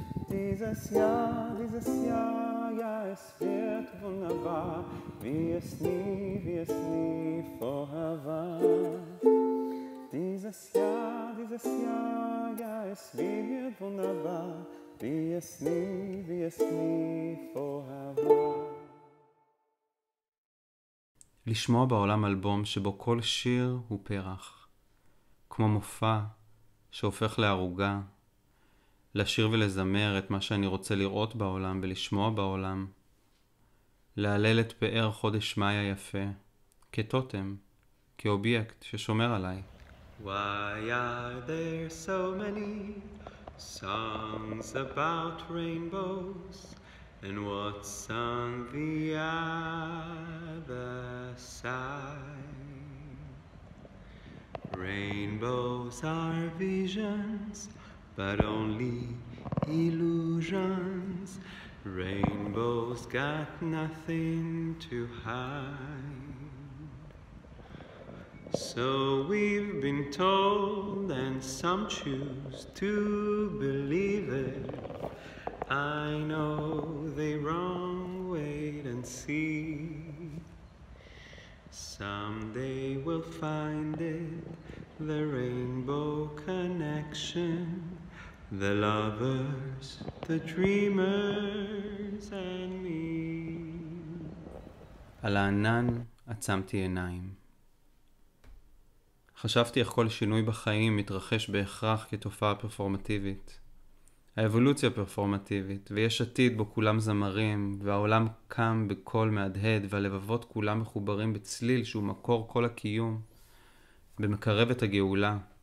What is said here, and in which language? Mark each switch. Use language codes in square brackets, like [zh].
[de] Dieses Jahr, ja, es wird wunderbar, wie es nie vorher war. Dieses Jahr, ja, es wird wunderbar, wie es nie vorher war. [he] לשמוע בעולם אלבום שבו כל שיר הוא פרח, כמו מופע שהופך לערוגה, לשיר ולזמר את מה שאני רוצה לראות בעולם ולשמוע בעולם, להלל את פאר חודש מאי היפה, כטוטם, כאובייקט ששומר עליי. [en] Why are there so many songs about rainbows? And what's on the other side? Rainbows are visions, but only illusions. Rainbows got nothing to hide. So we've been told, and some choose to believe it. I know the wrong way and see. Someday we'll find it, the rainbow connection, the lovers, the dreamers, and me. [he] על הענן עצמתי עיניים. חשבתי איך כל שינוי בחיים מתרחש בהכרח כתופעה פרפורמטיבית. האבולוציה פרפורמטיבית, ויש עתיד בו כולם זמרים, והעולם קם בקול מהדהד, והלבבות כולם מחוברים בצליל שהוא מקור כל הקיום, במקרב את הגאולה.